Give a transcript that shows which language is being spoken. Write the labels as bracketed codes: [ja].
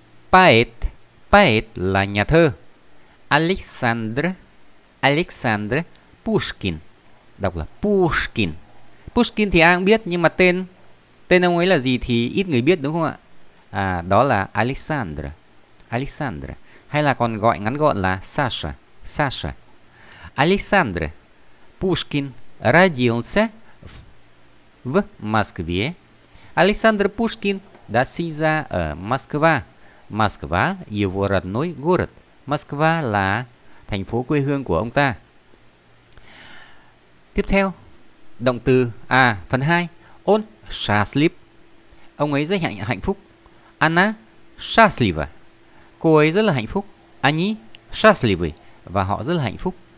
[vi] Poet. Poet là nhà thơ. Александр [ru] Пушкин. [vi] Đọc là Пушкин. Пушкин thì ai cũng biết, nhưng mà tên ông ấy là gì thì ít người biết, đúng không ạ? À, đó là Александр. Hay là còn gọi ngắn gọn là Саша. [ru] Александр Пушкин родился в Москве. [vi] Александр Пушкин đã sinh ra ở Москва. [ru] Москва его родной город. [vi] Москва là thành phố quê hương của ông ta. Tiếp theo, động từ phần 2. [ru] Он счастлив. [vi] Ông ấy rất hạnh phúc. [ru] Она счастлива. [vi] Cô ấy rất là hạnh phúc. [ru] Они счастливы. [vi] Và họ rất là hạnh phúc.